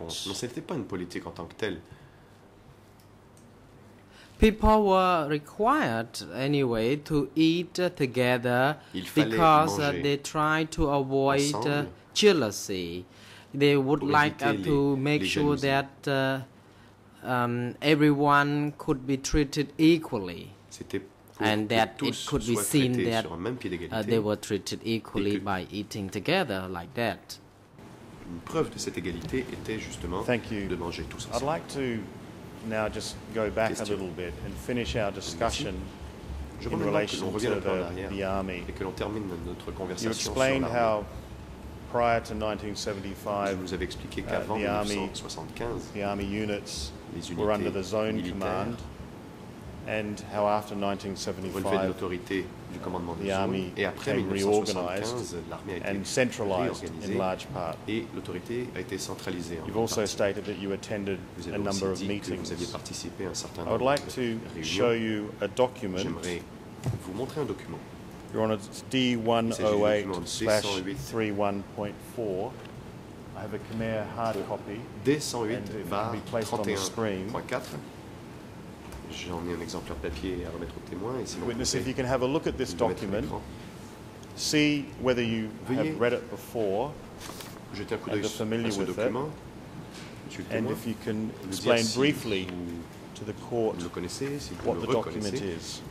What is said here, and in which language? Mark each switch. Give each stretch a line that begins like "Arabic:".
French: Non, ce n'était pas une politique en tant que telle.
English: People were required, anyway, to eat together because they tried to avoid jealousy. They would like to make sure that everyone could be treated equally and that it could be seen that they were treated equally by eating together like that.
French: une preuve de cette égalité était justement de manger tous ensemble.
English: I'd like to now just go back a little bit and finish our discussion.
French: Je voudrais que l'on revienne un peu en arrière et que l'on termine notre conversation sur l'armée.
English: Prior to 1975, the army units were under the zone command, and how after 1975, the army became reorganized and centralized in large part. You've also stated that you attended a number of meetings. I would like to show you a document. Your Honour, it's D108/31.4. I have a Khmer hard copy, and it can be placed on the screen.
French: J'en ai un exemplaire papier à remettre au témoin.
English: Witness, if you can have a look at this document, see whether you have read it before and are familiar with it, and if you can explain briefly to the court what the document is.